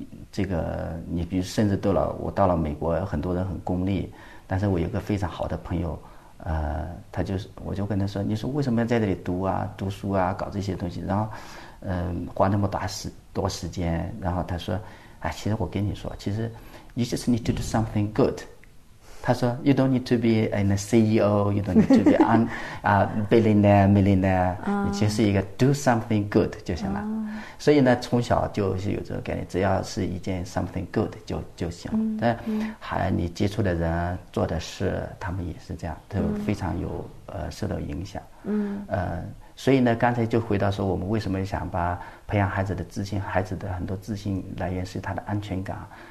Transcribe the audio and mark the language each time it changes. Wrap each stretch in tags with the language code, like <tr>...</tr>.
<zh>这个你比如甚至到了我到了美国，很多人很功利，但是我有个非常好的朋友，他就是我就跟他说，你说为什么要在这里读啊、读书啊、搞这些东西，然后，花那么多时间，然后他说，哎，其实我跟你说，其实 ，</zh> <en>you just need to do something good。</en> <zh>他说 ：“</zh> <en>You don't need to be a CEO. You don't need to be an billionaire, millionaire.</en> <zh>你其实是一个</zh> <en>do something good</en> <zh>就行了。所以呢，从小就是有这个概念，只要是一件</zh> <en>something good</en> <zh>就行了。但还你接触的人做的事，他们也是这样，都非常有受到影响。所以呢，刚才就回到说，我们为什么想把培养孩子的自信，孩子的很多自信来源是他的安全感。”</zh>